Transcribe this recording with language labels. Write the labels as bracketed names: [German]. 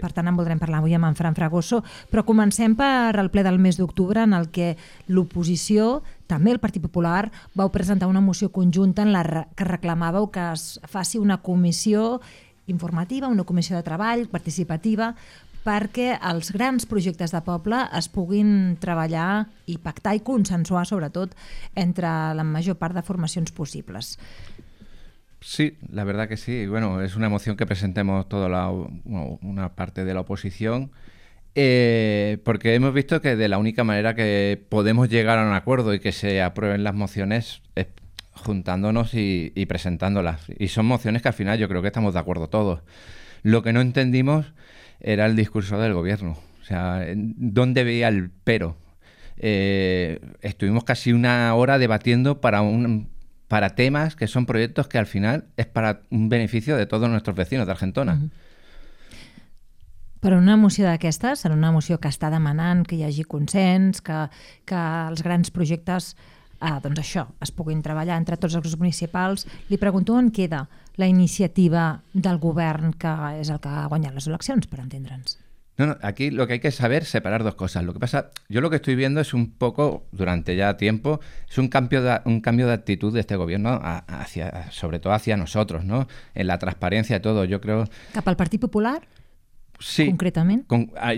[Catalan] Per tant, en voldrem parlar avui amb en Fran Fragoso, però comencem per el ple del mes d'octubre, en el que l'oposició, també el Partit Popular, vau presentar una moció conjunta en la que reclamàveu que es faci una comissió informativa, una comissió de treball participativa, perquè els grans projectes de poble es puguin treballar i pactar i consensuar, sobretot, entre la major part de formacions possibles. [Spanish] Sí, la verdad que sí. Bueno, es una moción que presentemos toda una parte de la oposición, porque hemos visto que de la única manera que podemos llegar a un acuerdo y que se aprueben las mociones es juntándonos y presentándolas. Y son mociones que al final yo creo que estamos de acuerdo todos. Lo que no entendimos era el discurso del gobierno. O sea, ¿dónde veía el pero? Estuvimos casi una hora debatiendo para temas que son proyectos que al final es para un beneficio de todos nuestros vecinos de Argentona. [Catalan] Però una moció d'aquestes, en una moció que està demanant que hi hagi consens, que els grans projectes es puguin treballar entre tots els grups municipals, li pregunto on queda la iniciativa del govern, que és el que ha guanyat les eleccions, per entendre'ns. [Spanish] No, aquí lo que hay que saber es separar dos cosas. Lo que pasa, yo lo que estoy viendo es un poco, durante ya tiempo, es un cambio de actitud de este gobierno, sobre todo hacia nosotros, ¿no? En la transparencia y todo, yo creo. [Catalan] ¿Cap al Partit Popular? [Spanish] Sí. ¿Concretamente?